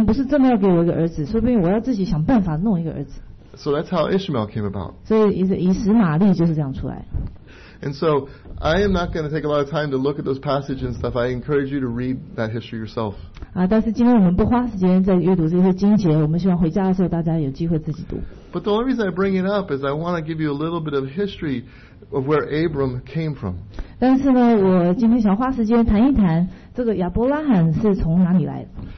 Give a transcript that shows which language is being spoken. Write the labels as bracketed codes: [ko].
[zh] 亚伯兰说，说不定我要自己想办法弄一个儿子。 [en] So that's how Ishmael came about. [zh] 所以以实玛利就是这样出来。 [en] And so I am not going to take a lot of time to look at those passages and stuff. I encourage you to read that history yourself. [zh] 但是今天我们不花时间在阅读这些经节，我们希望回家的时候大家有机会自己读。 [en] But the only reason I bring it up is I want to give you a little bit of history of where Abram came from. [zh] 但是呢，我今天想花时间谈一谈这个亚伯拉罕是从哪里来的。